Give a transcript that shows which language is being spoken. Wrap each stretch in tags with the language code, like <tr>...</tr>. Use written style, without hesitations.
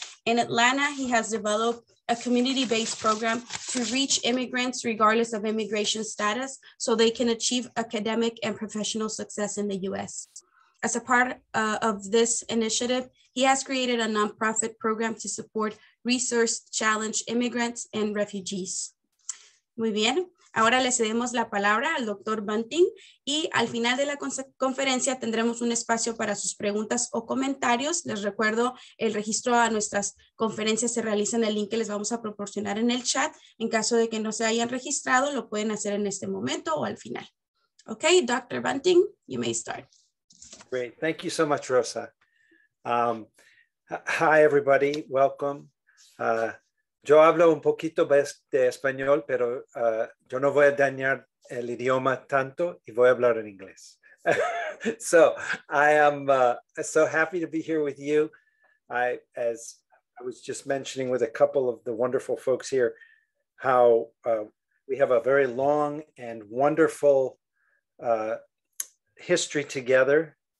<en>In Atlanta, he has developed a community-based program to reach immigrants regardless of immigration status so they can achieve academic and professional success in the US. As a part of this initiative, he has created a nonprofit program to support resource-challenged immigrants and refugees.</en> <es>Muy bien. Ahora le cedemos la palabra al Dr. Bunting y al final de la conferencia tendremos un espacio para sus preguntas o comentarios. Les recuerdo, el registro a nuestras conferencias se realiza en el link que les vamos a proporcionar en el chat. En caso de que no se hayan registrado, lo pueden hacer en este momento o al final.</es> <en>Okay, Dr. Bunting, you may start. Great. Thank you so much, Rosa. Hi, everybody. Welcome.</en> <es>Yo hablo un poquito de español, pero yo no voy a dañar el idioma tanto y voy a hablar en inglés.</es> <en>So I am so happy to be here with you. As I was just mentioning with a couple of the wonderful folks here, how we have a very long and wonderful history together.</en>